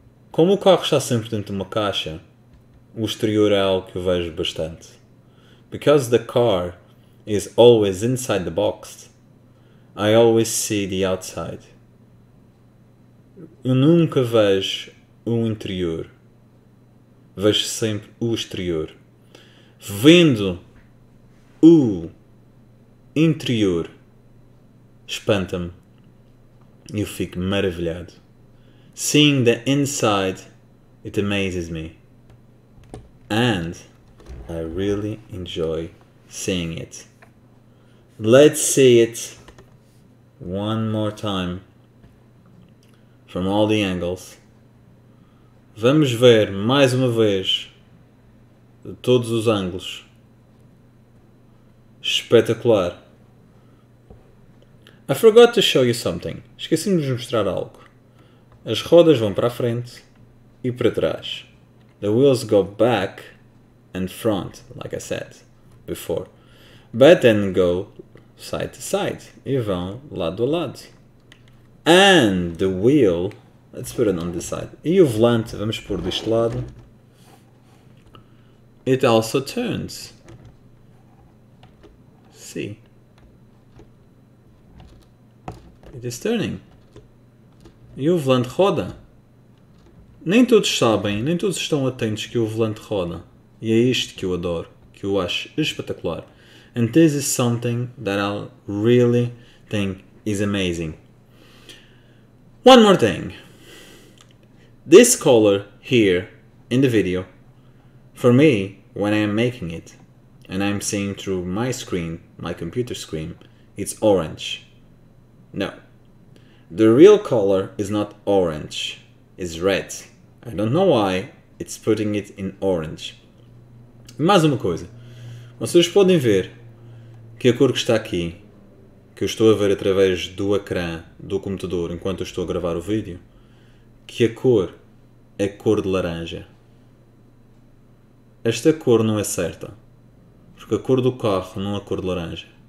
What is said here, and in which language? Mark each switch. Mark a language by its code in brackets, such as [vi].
[pt] Como o carro está sempre dentro de uma caixa, o exterior é algo que eu vejo bastante. [en] Because the car is always inside the box, I always see the outside. [pt] Eu nunca vejo o interior. Vejo sempre o exterior. Vendo o interior, espanta-me. Eu fico maravilhado. [en] Seeing the inside, it amazes me. And I really enjoy seeing it. Let's see it one more time from all the angles. [pt] Vamos ver mais uma vez de todos os ângulos. Espetacular. [en] I forgot to show you something. [pt] Esqueci-me de mostrar algo. As rodas vão para a frente e para trás. [en] The wheels go back and front, like I said before. But then go side to side. [pt] E vão lado a lado. [en] And the wheel, let's put it on this side. [pt] E o volante, vamos pôr deste lado. [en] It also turns. See. It is turning. [pt] E o volante roda. Nem todos sabem, nem todos estão atentos que o volante roda. E é isto que eu adoro, que eu acho espetacular. [en] And this is something that I really think is amazing. One more thing. This color here in the video, for me, when I am making it, and I'm seeing through my screen, my computer screen, it's orange. No. The real color is not orange, it's red. I don't know why it's putting it in orange. [pt] Mais uma coisa. Vocês podem ver que a cor que está aqui, que eu estou a ver através do ecrã do computador enquanto eu estou a gravar o vídeo, que a cor é cor de laranja. Esta cor não é certa, porque a cor do carro não é cor de laranja.